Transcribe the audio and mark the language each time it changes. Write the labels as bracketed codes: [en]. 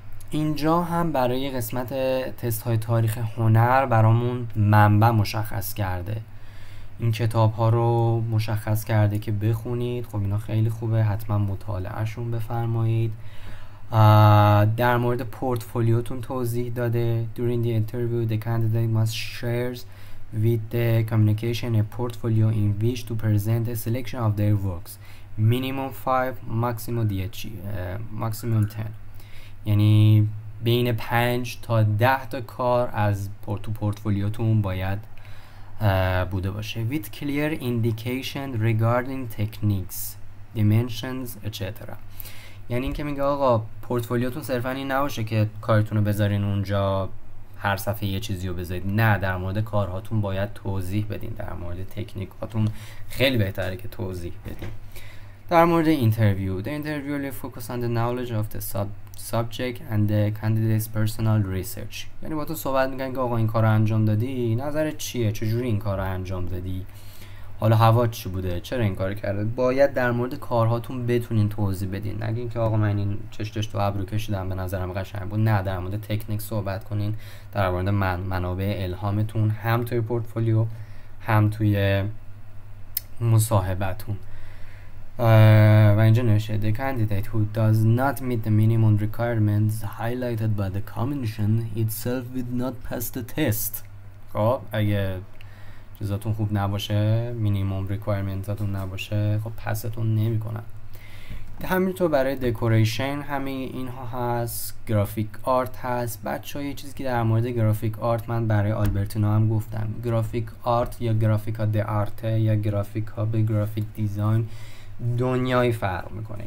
[fa] اینجا هم برای قسمت تست های تاریخ هنر برامون منبع مشخص کرده، این کتاب ها رو مشخص کرده که بخونید. خب اینا خیلی خوبه، حتما مطالعهشون بفرمایید. در مورد پورتفولیوتون توضیح داده: [en] During the interview the candidate must share with the communication a portfolio in which to present a selection of their works minimum 5 maximum 10 maximum 10. [fa] یعنی بین 5 تا 10 تا کار از پورتفولیوتون باید بوده باشه. [en] With clear indication regarding techniques, dimensions, etc. [fa] یعنی این که میگه آقا پورتفولیوتون صرفا این نباشه که کارتون رو بذارین اونجا هر صفحه یه چیزی رو بذارید، نه، در مورد کارهاتون باید توضیح بدین، در مورد تکنیکاتون خیلی بهتره که توضیح بدین. در مورد اینترویو، [en] the interviewer will focus on the knowledge of the subject and the candidate's personal research. [fa] یعنی با تو صحبت میکنن که آقا این کار انجام دادی، نظرت چیه، چجوری این کار انجام دادی، حالا هوا چی بوده، چرا این کار کرده. باید در مورد کارهاتون بتونین توضیح بدین، نگین که آقا من این چشتش تو ابرو کشیدم به نظرم قشنگ بود. نه، در مورد تکنیک صحبت کنین، در مورد منابع الهامتون، هم توی پورتفولیو هم توی مصاحبتون. و اینجا نوشه [en] The candidate who does not meet the minimum requirements highlighted by the commission itself would not pass the test. [fa] خب اگه چیزاتون خوب نباشه، مینیمم ریکوایرمنتاتون نباشه، خب پستون نمیکنن. همینطور برای دکوریشن همه اینها هست، گرافیک آرت هست. بچه‌ها یه چیزی که در مورد گرافیک آرت من برای آلبرتینا هم گفتم، گرافیک آرت یا گرافیکا د آرت یا گرافیکا به گرافیک دیزاین دنیای فرق میکنه.